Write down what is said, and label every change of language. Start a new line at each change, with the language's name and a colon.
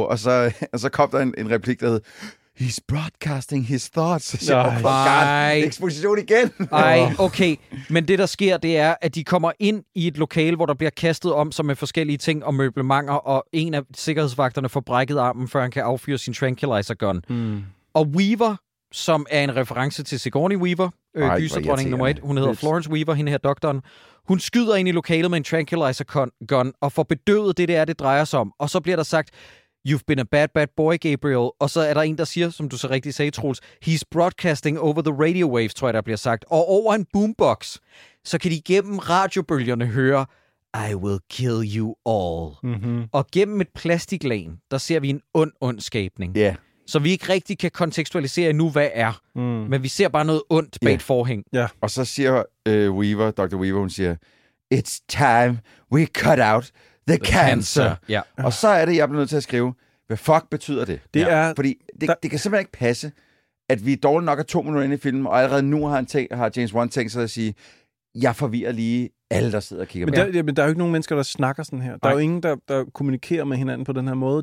Danish: Og så kom der en replik, der hed, he's broadcasting his thoughts. Så nej. Eksposition igen. Nej, okay. Men det, der sker, det er, at de kommer ind i et lokale, hvor der bliver kastet om sig med forskellige ting og møblemanger, og en af sikkerhedsvagterne får brækket armen, før han kan affyre sin tranquilizer gun. Mm. Og Weaver, som er en reference til Sigourney Weaver, gyserdronning nummer 1, hun hedder Florence Weaver, hende her doktoren, hun skyder ind i lokalet med en tranquilizer gun, og får bedøvet det drejer sig om. Og så bliver der sagt...
English: You've been a bad, bad boy, Gabriel.
Danish: Og så er der en, der siger, som du så rigtig sagde, Troels, he's broadcasting over the radio waves, tror jeg, der bliver sagt. Og over en boombox, så kan de gennem radiobølgerne høre, I will kill you all. Mm-hmm. Og gennem et plastiklæn, der ser vi en ond, ond skabning. Yeah. Så vi ikke rigtig kan kontekstualisere endnu, hvad er. Mm. Men vi ser bare noget ondt bag et forhæng. Yeah. Og så siger Dr. Weaver, hun siger, it's time we cut out.
English: The cancer.
Danish: Ja. Og så er det, jeg bliver nødt til at skrive, hvad fuck betyder det? Det er, fordi det kan simpelthen ikke passe, at vi er dårligt nok er 2 minutter inde i filmen, og allerede nu har James Wan tænkt sig at sige, jeg forvirrer lige alle, der sidder og kigger på det. Men der er jo ikke nogen mennesker, der snakker sådan her. Der er jo ingen, der kommunikerer med hinanden på den her måde.